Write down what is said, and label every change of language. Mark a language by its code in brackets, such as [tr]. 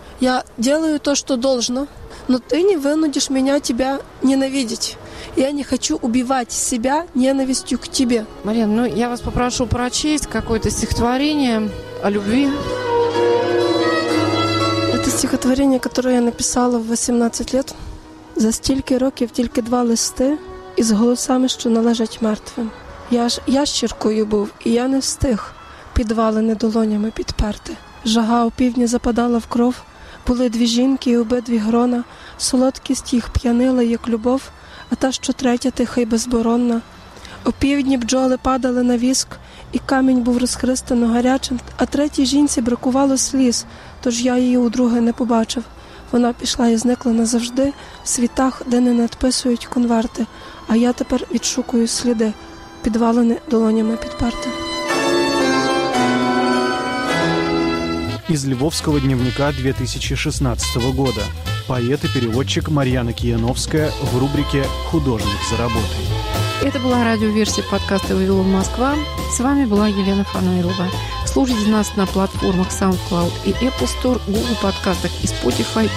[ru] Я делаю то, что должно, но ты не вынудишь меня тебя ненавидеть. Я не хочу убивать себя ненавистью к тебе. Марина, ну я вас попрошу прочесть какое-то стихотворение о любви. Это стихотворение, которое я написала в 18 лет. [uk] За стільки років тільки два листи із голосами, що належать мертвим. Я ж ящіркою був, і я не встиг підвалини долонями підперти. Жага опівдні западала в кров, були дві жінки і обидві грона. Солодкість їх п'янила, як любов, а та, що третя, тиха й безборонна. У півдні бджоли падали на віск, і камінь був розхристано гарячим, а третій жінці бракувало сліз, тож я її удруге не побачив. Вона пішла і зникла назавжди в світах, де не надписують конверти, а я тепер відшукую сліди, підвалені долонями підперти. [ru] Из львовского дневника 2016 года. Поэт и переводчик Марьяна Кияновская в рубрике «Художник за работой». Это была радиоверсия подкаста «Вавилон, Москва». С вами была Елена Фанайлова. Слушайте нас на платформах SoundCloud и Apple Store, Google подкастах и Spotify.